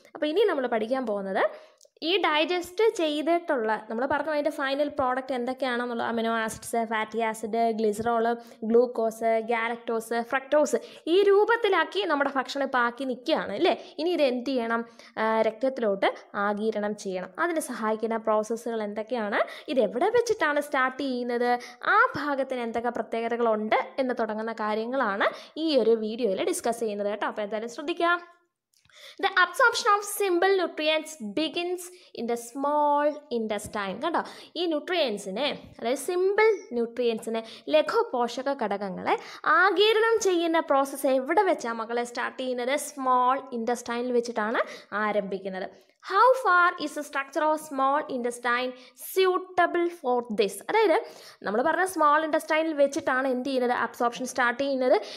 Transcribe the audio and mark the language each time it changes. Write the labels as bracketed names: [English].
[Malayalam] അപ്പോൾ ഇനി നമ്മൾ പഠിക്കാൻ പോകുന്നത് ഈ ഡൈജസ്റ്റ് ചെയ്തിട്ടുള്ള, നമ്മൾ പറഞ്ഞു അതിൻ്റെ final product എന്തൊക്കെയാണെന്നുള്ള, amino acids, fatty acid, glycerol, glucose, galactose, fructose, ഈ രൂപത്തിലാക്കി നമ്മുടെ ഭക്ഷണം ഇപ്പോൾ ആക്കി നിൽക്കുകയാണ് അല്ലേ. ഇനി ഇത് എന്ത് ചെയ്യണം, രക്തത്തിലോട്ട് ആഗിരണം ചെയ്യണം. അതിന് സഹായിക്കുന്ന പ്രോസസ്സുകൾ എന്തൊക്കെയാണ്, ഇതെവിടെ വെച്ചിട്ടാണ് സ്റ്റാർട്ട് ചെയ്യുന്നത്, ആ ഭാഗത്തിന് എന്തൊക്കെ പ്രത്യേകതകളുണ്ട് എന്ന് തുടങ്ങുന്ന കാര്യങ്ങളാണ് ഈ ഒരു വീഡിയോയിൽ ഡിസ്കസ് ചെയ്യുന്നത് കേട്ടോ. അപ്പോൾ എന്തായാലും ശ്രദ്ധിക്കുക. [English] The absorption of simple nutrients begins in the small intestine. [Malayalam] കണ്ടോ, ഈ ന്യൂട്രിയൻസിനെ, അതായത് സിമ്പിൾ ന്യൂട്രിയൻസിനെ, ലഘു പോഷക ഘടകങ്ങളെ ആഗിരണം ചെയ്യുന്ന പ്രോസസ്സ് എവിടെ വെച്ചാണ് മക്കളെ സ്റ്റാർട്ട് ചെയ്യുന്നത്, സ്മോൾ ഇൻ്റസ്റ്റൈനിൽ വെച്ചിട്ടാണ് ആരംഭിക്കുന്നത്. [English] how far is the structure of small intestine suitable for this, [Malayalam] അതായത് നമ്മൾ പറഞ്ഞ സ്മോൾ ഇൻ്റസ്റ്റൈനിൽ വെച്ചിട്ടാണ് എന്ത് ചെയ്യുന്നത്, അബ്സോർപ്ഷൻ സ്റ്റാർട്ട് ചെയ്യുന്നത്.